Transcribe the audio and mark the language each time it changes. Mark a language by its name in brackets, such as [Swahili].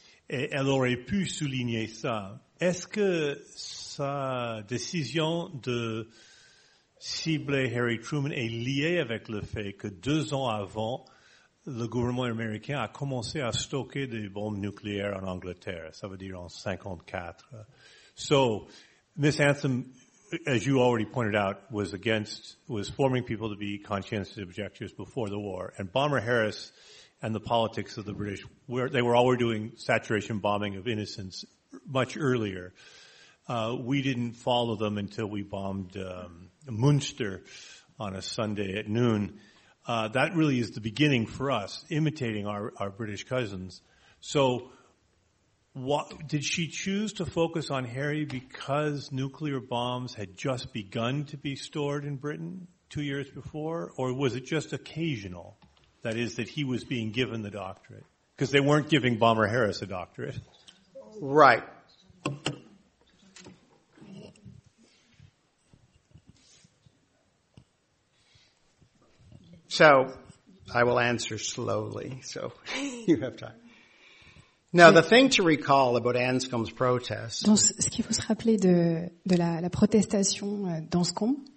[French] Et elle aurait pu souligner ça. Est-ce que sa décision de cibler Harry Truman est liée avec le fait que 2 ans avant, le gouvernement américain a commencé à stocker des bombes nucléaires en Angleterre, ça veut dire en 54. [English] So, Miss Anthem, as you already pointed out, was forming people to be conscientious objectors before the war. And Bomber Harris and the politics of the British, where they were already doing saturation bombing of innocents much earlier. We didn't follow them until we bombed Munster on a Sunday at noon. That really is the beginning for us, imitating our British cousins. So, what did she choose to focus on Harry because nuclear bombs had just begun to be stored in Britain 2 years before? Or was it just occasional, that is, that he was being given the doctorate? Because they weren't giving Bomber Harris a doctorate. Right. So, I will answer slowly, so you have time. Now, the thing to recall about Anscombe's protest... [French] Donc, ce qu'il faut se rappeler de la protestation d'Anscombe...